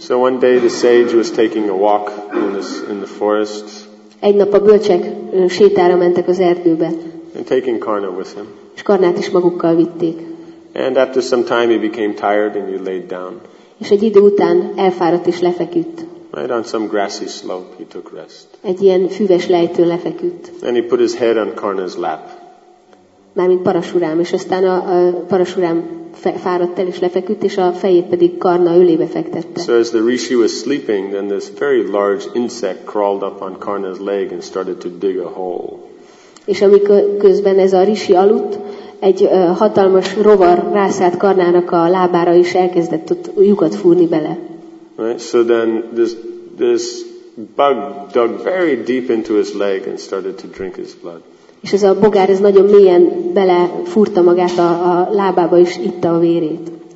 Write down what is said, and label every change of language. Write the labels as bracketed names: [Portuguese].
[English] So one day the sage was taking a walk in the forest. [Hungarian] Egy nap a bölcsek sétára mentek az erdőbe. [English] And taking Karna with him. [Hungarian] És Karnát is magukkal vitték. [English] And after some time he became tired and he laid down. [Hungarian] És egy idő után elfáradt és lefeküdt. [English] Right on some grassy slope he took rest. [Hungarian] Egy ilyen füves lejtőn lefeküdt. [English] And he put his head on Karna's lap. [Hungarian] Mármint Parasuram, és aztán a Parasuram fáradt el és lefeküdt, és a fejét pedig Karna ölébe fektette. [English] So as the rishi was sleeping, then this very large insect crawled up on Karna's leg and started to dig a hole. [Hungarian] És amikor közben ez a rishi aludt, egy hatalmas rovar rászállt Karnának a lábára és elkezdett ott lyukat fúrni bele. [English] Right, so then this bug dug very deep into his leg and started to drink his blood. [Hungarian] És ez a bogár ez nagyon mélyen bele fúrta magát a lábába és itta a vérét.